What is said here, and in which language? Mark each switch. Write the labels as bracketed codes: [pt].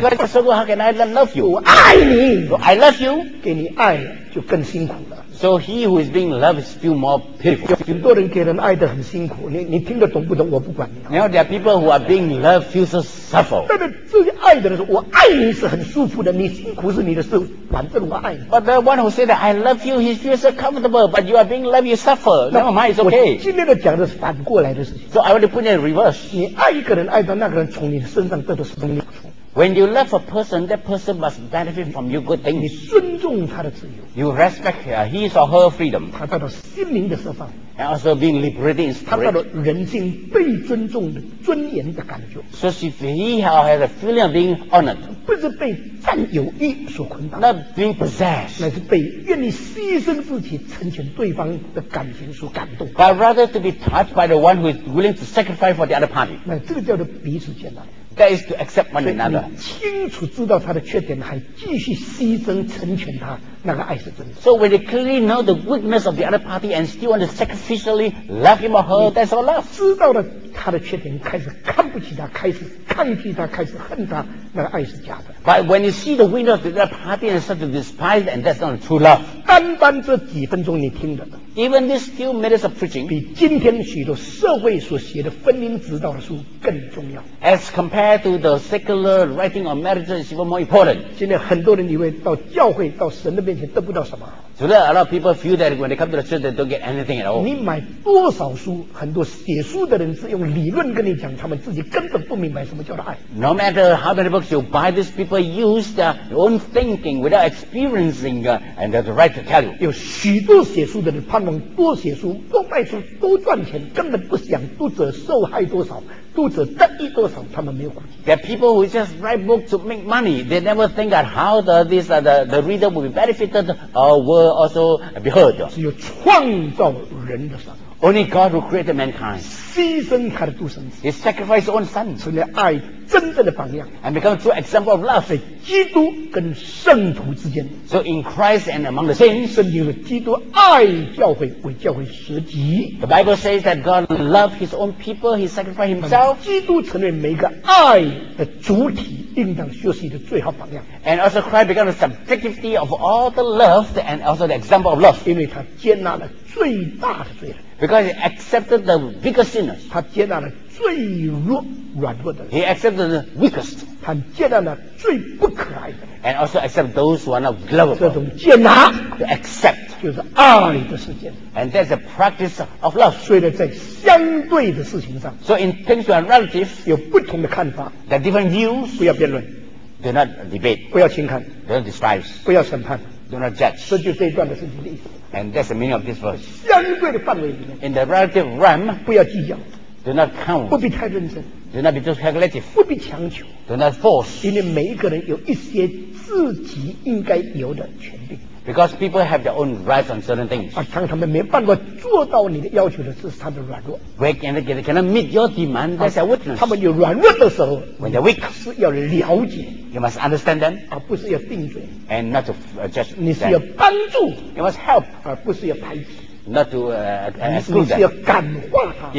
[en] because you're so good how can I not love you [zh] 我爱你 [en] so I love you [zh] 给你爱就更辛苦了 [en] so he who is being loved is still more pitiful [zh] 有很多人给人爱得很辛苦 你听得懂不懂我不管你 [en] now there are people who are being loved feel so suffer [zh] 但是这些爱的人说我爱你是很舒服的你辛苦是你的事反正我爱你 [en] but the one who said that I love you he feels so comfortable but you are being loved you suffer never mind it's okay [zh] 今天的讲的是反过来的事情 [en] so I want to put it in reverse [zh] 你爱一个人爱到那个人从你身上得到什么好处 [en] When you love a person, that person must benefit from your good things. [zh] 你尊重他的自由。 [en] You respect his or her freedom. [zh] 他得到心灵的释放。 [en] And also being liberated in spirit. [zh] 他得到人性被尊重的尊严的感觉。 [en] So if he has a feeling of being honored. [zh] 不是被占有欲所捆绑。 [en] Not being possessed. [zh] 乃是被愿意牺牲自己成全对方的感情所感动。 [en] But rather to be touched by the one who is willing to sacrifice for the other party. [zh] 那这个叫做彼此接纳。 [en] That is to accept one another. [zh] 所以你清楚知道他的缺点，还继续牺牲成全他，那个爱是真的。 [en] So when you clearly know the weakness of the other party and still want to sacrificially love him or her, that's all love. [zh] 知道了他的缺点，开始看不起他，开始抗拒他，开始恨他，那个爱是假的。 [en] But when you see the weakness of the other party and start to despise, and that's not true love. [zh] 单单这几分钟你听的。 [en] Even this few minutes of preaching, [zh] 比今天许多社会所写的婚姻指导的书更重要。 [en] As compared to the secular writing on marriage, is even more important. [zh] 现在很多人以为到教会、到神的面前得不到什么。 [en] So there are a lot of people feel that when they come to the church, they don't get anything at all. [zh] 你买多少书？很多写书的人是用理论跟你讲，他们自己根本不明白什么叫做爱。 [en] No matter how many books you buy, these people use their own thinking without experiencing, and they're the right to tell you. [zh] 有许多写书的人。盼望多写书多卖书多赚钱根本不想读者受害多少读者得益多少他们没有顾忌 [en] There are people who just write books to make money They never think of how the reader will be benefited or will also be heard [zh] 只有创造人的神 [en] Only God who created mankind [zh] 牺牲他的独生子 [en] He sacrificed his own son [zh] 成了爱真正的榜样 [en] And become true example of love [zh] 在基督跟圣徒之间 [en] So in Christ and among the saints [zh] 圣经说基督爱教会为教会舍己 [en] The Bible says that God loved his own people He sacrificed himself [zh] 基督成为每个爱的主体应当学习的最好榜样 [en] And also Christ became the subjectivity of all the love And also the example of love [zh] 因为他接纳了最大的罪人 [en] Because he accepted the biggest sinners [zh] 他接纳了最弱软弱的人 [en] He accepted the weakest [zh] 他接纳了最不可爱的 [en] And also accept those who are not lovable [zh] 这种接纳 [en] To accept [zh] 就是爱的实践 [en] And that's a practice of love [zh] 所以在相对的事情上 [en] So in things that are relative [zh] 有不同的看法 [en] There are different views [zh] 不要辩论 [en] Do not debate. [zh] 不要轻看。 [en] Do not despise. [zh] 不要审判。 [en] Do not judge. [zh] 这就是这一段的圣经的意思。 [en] And that's the meaning of this verse. [zh] 相对的范围里面。 [en] In the relative realm. [zh] 不要计较。 [en] Do not count. [zh] 不必太认真。 [en] Do not be too calculative. [zh] 不必强求。 [en] Do not force. [zh] 因为每一个人有一些自己应该有的权利。 [en] Because people have their own rights on certain things. [zh] 而当他们没办法做到你的要求的，这是他们的软弱。 [en] When they cannot meet your demand, that's their weakness. [zh] 他们有软弱的时候 [en] ，when they're weak, [zh] 是要了解。 [en] You must understand them. [zh] 而不是要定罪。 [en] And not to judge them. [zh] 你是要帮助。 [en] You must help. [zh] 而不是要排挤。 [en] Not to exclude them. [zh] 你是要感化他。